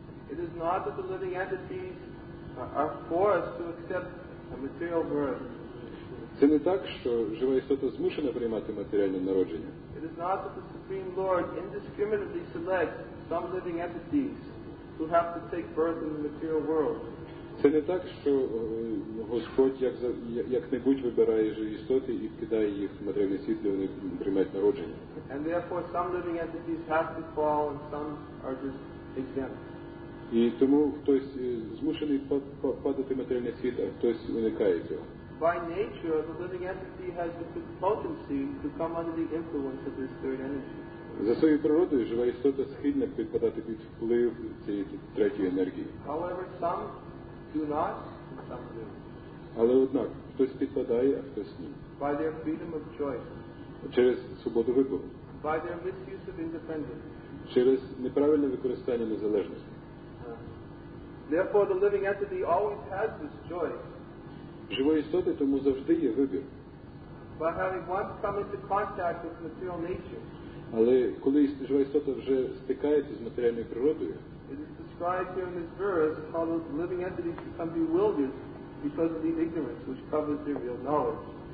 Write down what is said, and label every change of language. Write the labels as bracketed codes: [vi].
[en] It is not that the living entities are forced to accept a material birth. [uk] Це не так, що жива істота змушена приймати матеріальне народження. [en] It is not that the Supreme Lord indiscriminately selects some living entities who have to take birth in the material world. [uk] Це не так, що Господь як-небудь вибирає живі істоти і вкидає їх в матеріальний світ, де вони приймають народження. [en] And therefore some living entities have to fall and some are just exempt. [uk] І тому хтось змушений падати в матеріальний світ, а хтось уникає цього. [en] By nature, the living entity has the potency to come under the influence of this third energy. [uk] За своєю природою жива істота схильна підпадати під вплив цієї третьої енергії. [en] However, some do not, and some do. [uk] Але однак, хтось підпадає, а хтось ні. [en] By their freedom of choice. [uk] Через свободу вибору. [en] By their misuse of independence. [uk] Через неправильне використання незалежності. [en] Therefore, the living entity always has this choice. [uk] Живої істоти тому завжди є вибір. [en] But having once come into contact with material nature, [uk] але коли живе істота вже стикається з матеріальною природою, [en] it is described here in this verse how those living entities become bewildered because of the ignorance which covers their real knowledge.